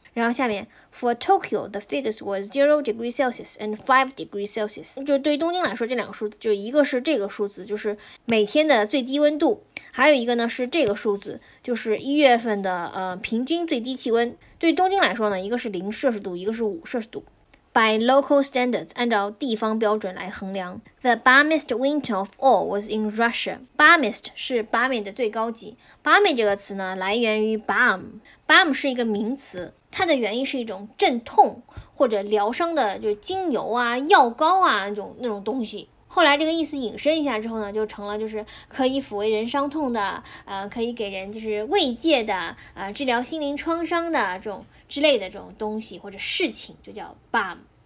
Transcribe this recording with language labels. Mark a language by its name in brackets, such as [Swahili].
[Chinese] 然后下面 [English] for Tokyo the figures were 0 degrees Celsius [Chinese] and 5 degrees Celsius， 就对东京来说这两个数字，就一个是这个数字，就是每天的最低温度，还有一个呢是这个数字，就是一月份的平均最低气温。对东京来说呢，一个是零摄氏度，一个是五摄氏度。 [English] By local standards， [Chinese] 按照地方标准来衡量。 [English] The balmiest winter of all was in Russia。 [Chinese] Balmiest 是balmy的最高级。Balmy 这个词呢，来源于 balm。 Balm 是一个名词，它的原意是一种镇痛或者疗伤的，就精油啊、药膏啊那种东西。后来这个意思引申一下之后呢，就成了就是可以抚慰人伤痛的，可以给人就是慰藉的，治疗心灵创伤的这种之类的这种东西或者事情，就叫 balm。